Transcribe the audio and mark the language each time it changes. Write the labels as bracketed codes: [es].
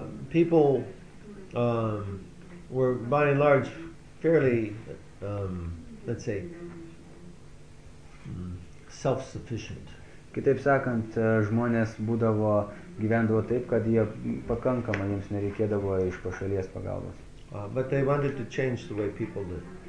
[en] People were by and large fairly let's say self-sufficient. [lt] Kitaip sakant, žmonės būdavo gyvendavo taip, kad jie pakankamai jiems nereikėdavo iš pašalies pagalbos. [en] But they wanted to change the way people live.